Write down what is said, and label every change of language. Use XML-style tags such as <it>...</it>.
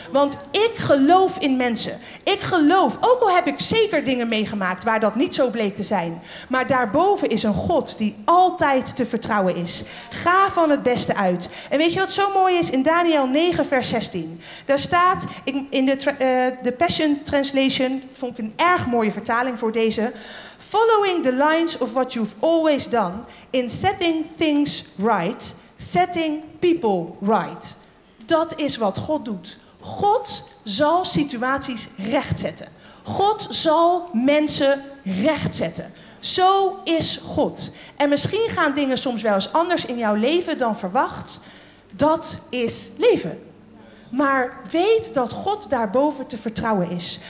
<nl>Want ik geloof in mensen. Ik geloof, ook al heb ik zeker dingen meegemaakt waar dat niet zo bleek te zijn. Maar daarboven is een God die altijd te vertrouwen is. Ga van het beste uit. En weet je wat zo mooi is? In Daniël 9 vers 16. Daar staat in de Passion Translation, vond ik een erg mooie vertaling voor deze.</nl> <en>Following the lines of what you've always done in setting things right, setting people right.</en> <nl>Dat is wat God doet. God zal situaties rechtzetten. God zal mensen rechtzetten. Zo is God. En misschien gaan dingen soms wel eens anders in jouw leven dan verwacht. Dat is leven. Maar weet dat God daarboven te vertrouwen is.</nl>